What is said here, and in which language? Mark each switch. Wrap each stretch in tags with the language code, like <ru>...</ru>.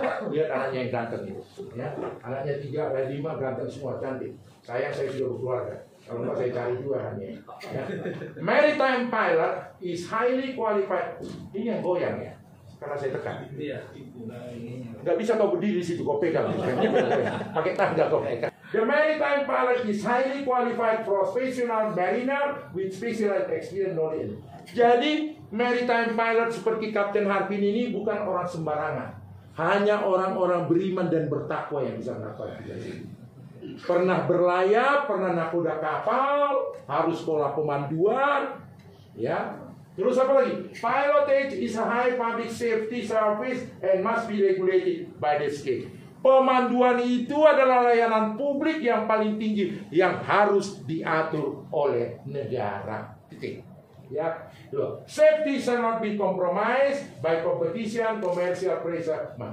<id>Dia anaknya yang ganteng itu. Ya, anaknya 3 dan 5 ganteng semua, cantik. Sayang saya sudah berkeluarga. Kalau nggak saya cari juga hanya. Ya.</id> <en>Maritime pilot is highly qualified.</en> <id>Ini yang goyang ya, karena saya tekan. Iya. Nggak bisa kau berdiri situ, kau pegang. Pakai tangga kau pegang.</id> <en>The maritime pilot is highly qualified professional mariner with specialized experience knowledge.</en> <id>Jadi maritime pilot seperti Kapten Harpin ini bukan orang sembarangan. Hanya orang-orang beriman dan bertakwa yang bisa melakukan tugas ini. Pernah berlayar, pernah nakoda kapal, harus sekolah pemanduan, ya. Terus apa lagi?</id> <en>Pilotage is a high public safety service and must be regulated by the state.</en> <id>Pemanduan itu adalah layanan publik yang paling tinggi yang harus diatur oleh negara. Titik. Ya. Loh.</id> <en>Safety shall not be compromised by competition, commercial pressure.</en>